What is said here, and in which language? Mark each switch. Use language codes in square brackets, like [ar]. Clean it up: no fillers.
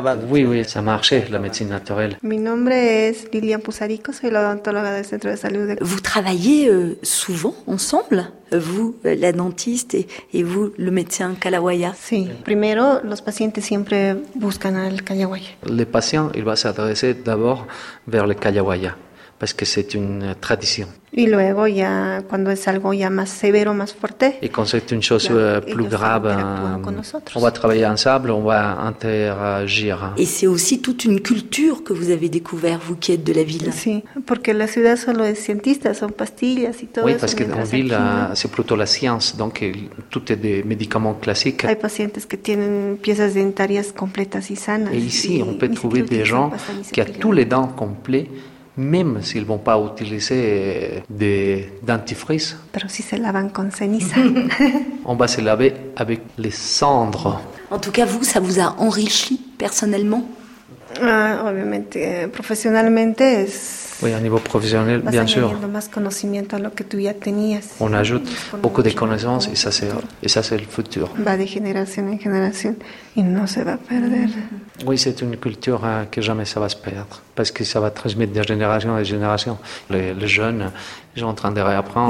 [fr] Oui, oui, ça a marché, la médecine naturelle. [es] Mi nombre es Lilian Pusarico, soy la odontóloga del centro de salud. [fr] Vous travaillez souvent ensemble, vous, la dentiste, et vous, le médecin Kayawaya? [es] Sí, primero, los pacientes siempre buscan al Kayawaya. [fr] Les patients, ils vont s'adresser d'abord vers le Kayawaya, parce que c'est une tradition. [es] Y luego ya cuando es algo ya más severo, más fuerte. [fr] Et quand c'est une chose plus grave, on va travailler ensemble, on va interagir. Et c'est aussi toute une culture que vous avez découvert, vous qui êtes de la ville. [es] Sí, porque la ciudad solo es científica, son pastillas y todo. [fr] Oui, parce que en ville c'est plutôt la science, donc tout est des médicaments classiques. [es] Hay pacientes que tienen piezas dentarias completas y sanas. [fr] Et ici, on peut trouver des gens qui a tous les dents complets. Même s'ils ne vont pas utiliser des dentifrices. [es] Pero si se lavan con ceniza. [fr] On va se laver avec les cendres. En tout cas, vous, ça vous a enrichi personnellement? [es] Obviamente, profesionalmente. [fr] Oui, au niveau professionnel, bien sûr. [es] Más conocimiento a lo que tú ya tenías. [fr] On ajoute beaucoup de connaissances et ça c'est le futur. Va de génération en génération et [es] no se va a perder. [fr] Oui, c'est une culture que jamais ça va se perdre, parce que ça va transmettre de génération en génération. Les jeunes, ils sont en train de réapprendre.